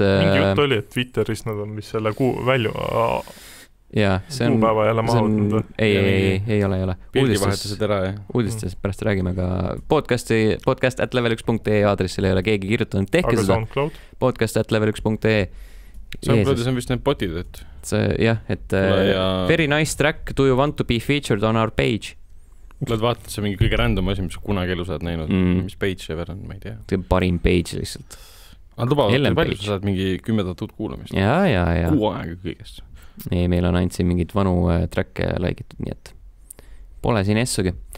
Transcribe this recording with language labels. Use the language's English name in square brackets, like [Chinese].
[Estonian] mingi jut oli, et Twitteris nad on mis selle kuu välju kuupäeva jälle mahutnud. Ei ole. Pildivahetused ära, jah. Uudistes, pärast räägime ka podcast@level1.ee aadressil ei ole keegi kirjutanud. Tehke aga SoundCloud? podcast@level1.ee SoundCloudis on vist need botid, et jah, et [English] very nice track, do you want to be featured on our page? [Estonian] Lähed vaata, see on mingi kõige random asja, mis kunagi elu saad näinud. Mm. Mis page see on, ma ei tea. See parim page lihtsalt. Aga lubavad, et palju sa saad mingi 10,000 kuulamist. Jah. Kuu aega kõigest. Ei, meil on ainult siin mingid vanu tracke laigitud, nii et pole siin essugi.